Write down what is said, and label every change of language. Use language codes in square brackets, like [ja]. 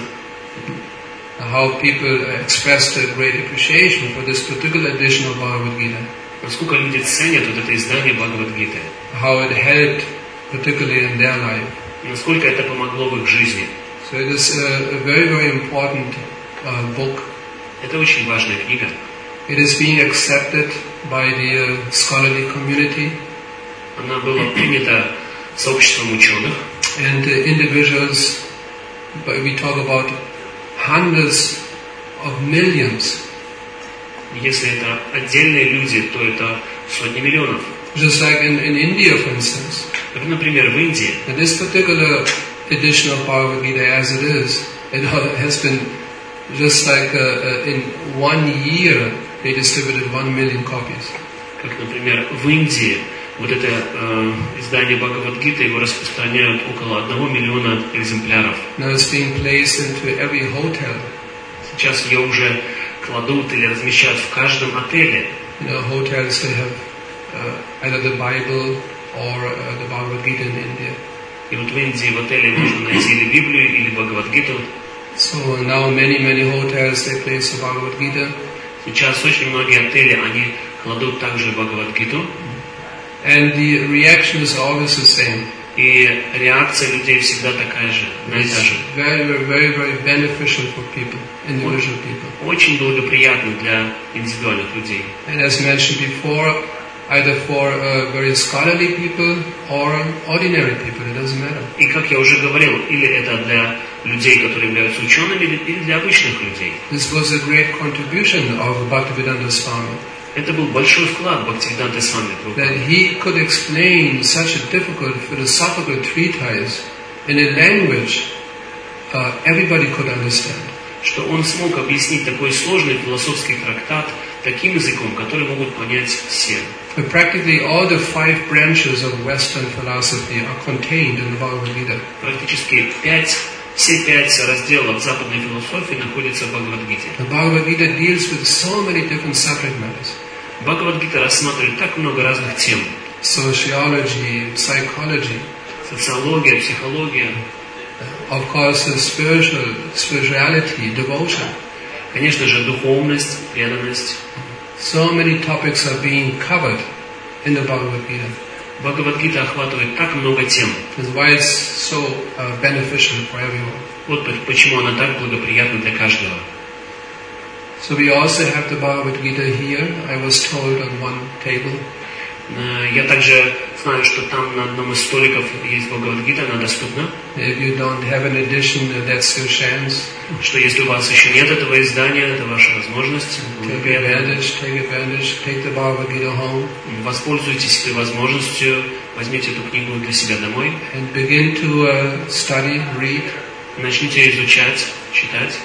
[en] How people express their great appreciation for this particular edition of Bhagavad Gita. [ru] Насколько люди ценят вот это издание Бхагавад Гиты. [en] How it helped, particularly in their life. [ru] Насколько это помогло в их жизни. [en] So it is a very, very important book. [ru] Это очень важная книга. [en] It is being accepted by the scholarly community. [ru] Она была принята сообществом ученых. [en] And individuals, but we talk about hundreds of millions. [ru] Если это отдельные люди, то это сотни миллионов. [en] Just like in India, for instance. [ru] Как, например, в Индии. [en] And this particular edition of Bhagavad Gita, as it is, it has been just like in 1 year they distributed 1 million copies. [ru] Как, например, в Индии вот это издание Бхагавад Гиты, его распространяют около 1 миллиона экземпляров. [en] Now it's being placed into every hotel. [ru] Сейчас ее уже кладут или размещают в каждом отеле. [en] In our hotels they have either the Bible or the Bhagavad Gita in India. [ru] И вот в Индии в отеле можно найти или Библию, или Бхагавад-гиту. [en] So now many hotels they place the Bhagavad Gita. [ru] Сейчас очень многие отели они кладут также Бхагавад-гиту. [en] And the reaction is always the same. [ru] И реакция людей всегда такая же, [en] It's very beneficial for people, individual people. [ru] Очень благоприятно для индивидуальных людей. [en] And as mentioned before, either for very scholarly people or ordinary people, it doesn't matter. [ru] И как я уже говорил, или это для людей, которые являются учеными, или для обычных людей. [en] This was a great contribution of Bhaktivedanta Swami. [ru] Это был большой вклад Бхактивиданты Свами. [en] That he could explain such a difficult philosophical treatise in a language everybody could understand. [ru] Что он смог объяснить такой сложный философский трактат таким языком, который могут понять все. [en] But practically all the five branches of Western philosophy are contained in the Bhagavad Gita. [ru] Практически все пять разделов западной философии находятся в Бхагавад-гите. [en] The Bhagavad Gita deals with so many different subject matters. [ru] Бхагавад-гита рассматривает так много разных тем. [en] Sociology, psychology. [ru] Социология, психология. [en] Of course, spirituality, devotion. [ru] Конечно же, духовность, преданность. [en] So many topics are being covered in the Bhagavad Gita. [ru] Бхагавад-гита охватывает так много тем. [en] That's why it's so beneficial for everyone. [ru] Вот почему она так благоприятна для каждого. [en] So we also have the Bhagavad Gita here. I was told on one table. [ru] Я также знаю, что там на одном из столиков есть Бхагавад-гита, она доступна. [en] If you don't have an edition, that's your chance. [ru] Что если у вас еще нет этого издания, это ваша возможность. [en] Take advantage, take the Bhagavad Gita home. [ru] Воспользуйтесь этой возможностью, возьмите эту книгу для себя домой. [en] And begin to study, read. [ru] Начните изучать, читать.